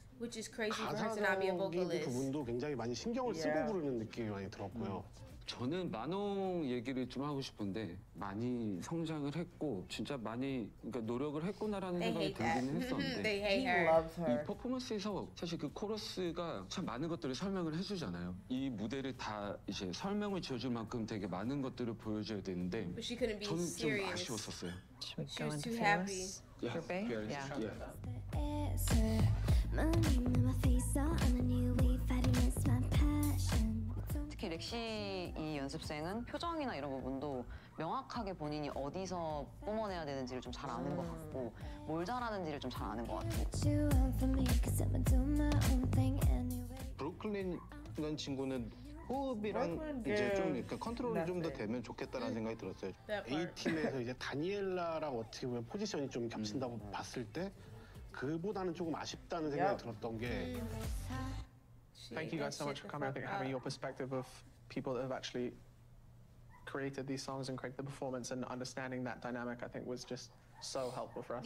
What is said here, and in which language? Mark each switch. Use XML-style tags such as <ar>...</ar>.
<en>Which is crazy for her to not be a vocalist.</en> <ko>부분도 굉장히 많이 신경을 쓰고 부르는 느낌이 많이 들었고요. 저는 만홍 얘기를 좀 하고 싶은데 많이 성장을 했고 진짜 많이 그러니까 노력을 했구나라는 생각이 들기는 했었는데 이 퍼포먼스에서 사실 그 코러스가 참 많은 것들을 설명을 해주잖아요. 이 무대를 다 이제 설명을 지어줄 만큼 되게 많은 것들을 보여줘야 되는데 저는 좀 아쉬웠었어요.</ko> <en>She was too happy. Yeah. Yeah. Yeah.</en> <ko>특히 렉시 이 연습생은 표정이나 이런 부분도 명확하게 본인이 어디서 뿜어내야 되는지를 좀 잘 아는 것 같고 뭘 잘하는지를 좀 잘 아는 것 같고 브루클린이라는 친구는 호흡이랑 이제 좀 이렇게 컨트롤이 좀 더 되면 좋겠다라는 생각이 들었어요. A팀에서 이제 다니엘라랑 어떻게 보면 포지션이 좀 겹친다고 봤을 때 그보다는 조금 아쉽다는 생각이 들었던 게</ko> <en>Thank you guys so much for coming. I think having your perspective of people that have actually created these songs and created the performance and understanding that dynamic I think was just so helpful for us.</en>